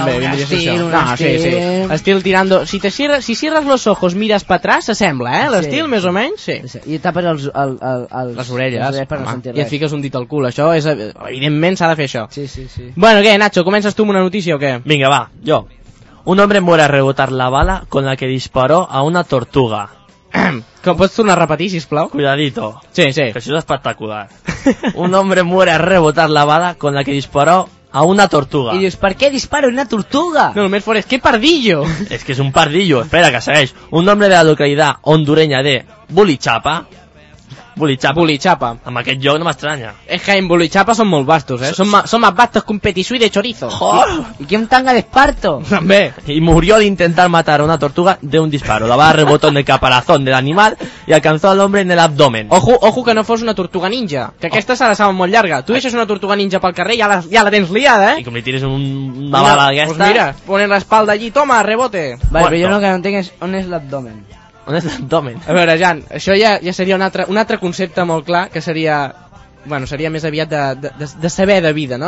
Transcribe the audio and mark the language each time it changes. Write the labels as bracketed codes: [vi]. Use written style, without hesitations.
[ca] també, vindria a ser això. Un estil. Sí, sí. Estil tirando... [es] Si cierres los ojos, mires pa atrás, [ca] s'assembla, eh? L'estil, sí. Més o menys, sí. I tapes els les orelles. Les orelles per no sentir res. I et fiques un dit al cul, això és... Evidentment s'ha de fer això. Sí, sí, sí. Bueno, què, Nacho, comences tu amb una notícia o què? Vinga, va, jo. [es] Un hombre muere a rebotar la bala con la que disparó a una tortuga. [ca] Com pots tornar a repetir, sisplau? [es] Cuidadito. [ca] Sí, sí. Que això és espectacular. [es] Un hombre muere a rebotar la bala con la que disparó a una tortuga. [ca] I dius, per què disparo una tortuga? No, el més fort és, que pardillo. És que és un pardillo, espera, que segueix. [es] Un hombre de la localidad hondureña de Bulichapa. Bulichapa. Bulichapa. [ca] Amb aquest lloc no m'estranya. És que en Bulichapa són molt vastos, eh? [es] Són más vastos que un petisui de chorizo. [ca] I que un tanga d'esparto. També. [es] I murió al intentar matar a una tortuga de un disparo. La bala rebotó en el caparazón de l'animal i alcanzó al hombre en el abdomen. [ca] Ojo, ojo que no fos una tortuga ninja. Que aquesta s'ha de ser molt llarga. Tu deixes una tortuga ninja pel carrer i ja la tens liada, eh? I com li tires una bala d'aquesta... [es] Pues mira, ponen l'espalda allí, toma, rebote. [ca] Vale, però jo el que no entenc és on és l'abdomen. On és l'abdomen? A veure, Jan, això ja seria un altre concepte molt clar, que seria, bueno, seria més aviat de saber de vida, no?